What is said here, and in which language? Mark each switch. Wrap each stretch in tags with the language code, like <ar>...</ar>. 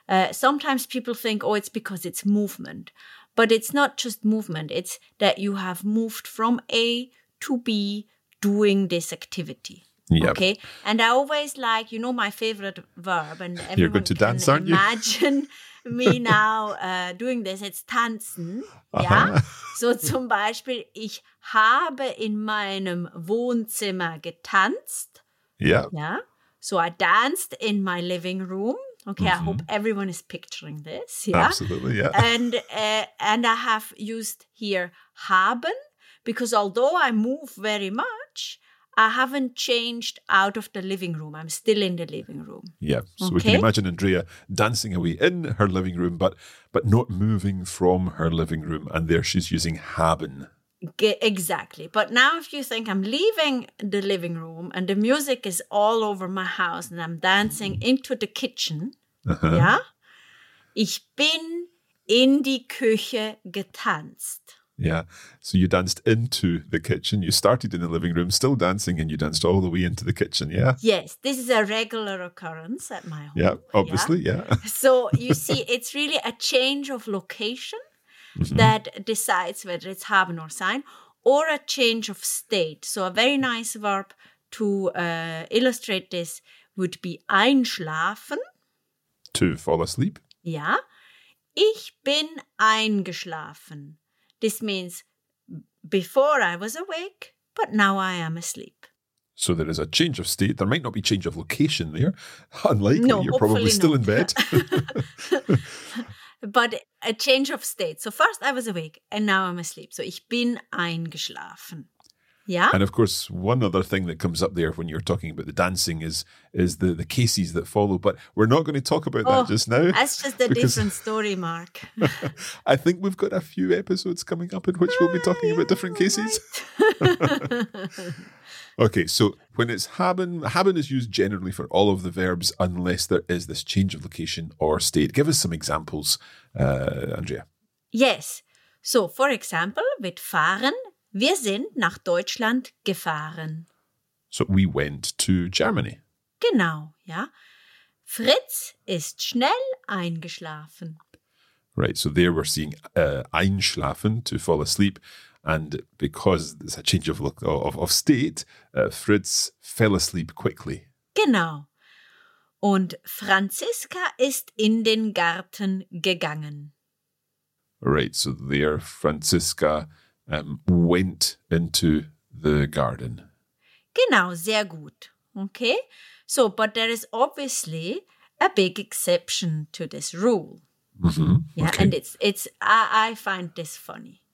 <en>Sometimes people think, oh, it's because it's movement. But it's not just movement. It's that you have moved from A to B doing this activity. Yep. Okay. And I always like, you know, my favorite verb. And everyone you're going to can dance, aren't you? Imagine me now doing this. It's tanzen. Uh-huh. Yeah.</en> <de>So zum Beispiel, ich habe in meinem Wohnzimmer getanzt.</de> <en>Yeah. Yeah. So I danced in my living room. Okay. Mm-hmm. I hope everyone is picturing this. Yeah. Absolutely. Yeah. And I have used here haben because although I move very much, I haven't changed out of the living room. I'm still in the living room. Yeah. So okay? We can imagine Andrea dancing away in her living room, but not moving from her living room. And there she's using haben. Exactly. But now if you think I'm leaving the living room and the music is all over my house and I'm dancing into the kitchen, uh-huh. Yeah?</en> <de>Ich bin in die Küche getanzt.</de> <en>Yeah. So you danced into the kitchen. You started in the living room, still dancing, and you danced all the way into the kitchen. Yeah. Yes. This is a regular occurrence at my home. Yeah. Obviously. Yeah. Yeah. So you see, it's really a change of location mm-hmm. that decides whether it's haben or sein, or a change of state. So a very nice verb to illustrate this would be einschlafen. To fall asleep.</en> <de>Yeah. Ich bin eingeschlafen.</de> <en>This means before I was awake, but now I am asleep. So there is a change of state. There might not be change of location there. Unlikely. No, you're probably still not. In bed. But a change of state. So first I was awake and now I'm asleep.</en> <de>So ich bin eingeschlafen.</de> <en>Yeah. And of course, one other thing that comes up there when you're talking about the dancing is the cases that follow. But we're not going to talk about that just now. That's just a different story, Mark. I think we've got a few episodes coming up in which we'll be talking about different cases. Okay, so when it's haben, haben is used generally for all of the verbs unless there is this change of location or state. Give us some examples, Andrea. Yes. So, for example, with</en> <de>fahren, wir sind nach Deutschland gefahren.</de> <en>So, we went to Germany.</en> <de>Genau, ja. Fritz ist schnell eingeschlafen.</de> <en>Right, so there we're seeing einschlafen, to fall asleep. And because it's a change of state, Fritz fell asleep quickly.</en> <de>Genau. Und Franziska ist in den Garten gegangen.</de> <en>Right, so there Franziska went into the garden.</en> <de>Genau, sehr gut.</de> <en>Okay, so but there is obviously a big exception to this rule. Mm-hmm. Yeah, okay. And it's I find this funny.</en>